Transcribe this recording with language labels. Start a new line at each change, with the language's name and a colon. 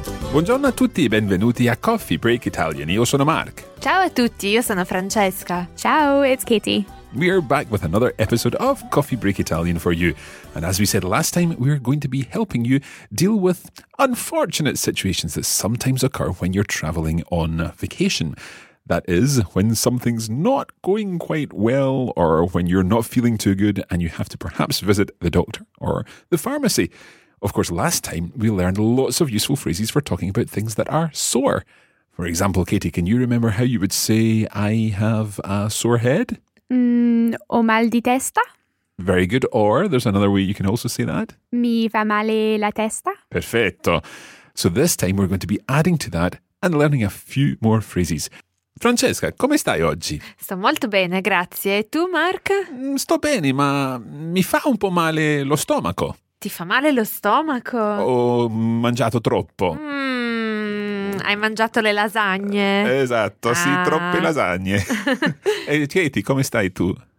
Italian: Buongiorno a tutti e benvenuti a Coffee Break Italian. Io sono Mark. Ciao a tutti, io sono Francesca.
English: Ciao, it's Katie. We are back with another episode of Coffee Break Italian for you. And as we said last time, we are going to be helping you deal with unfortunate situations that sometimes occur when you're traveling on vacation. That is, when something's not going quite well or when you're not feeling too good and you have to perhaps visit the doctor or the pharmacy. Of course, last time we learned lots of useful phrases for talking about things that are sore. For example, Katie, can you remember how you would say, I have a sore head?
Italian: Ho mal di testa.
English: Very good. Or there's another way you can also say that.
Italian: Mi fa male la testa. Perfetto.
English: So this time we're going to be adding to that and learning a few more phrases.
Italian: Francesca, come stai oggi? Sto molto bene, grazie. E tu, Mark? Sto bene, ma mi fa un po' male lo stomaco. Ti fa male lo stomaco? Ho mangiato troppo. Hai mangiato le lasagne. Esatto, sì, troppe lasagne. E Katie, come stai tu?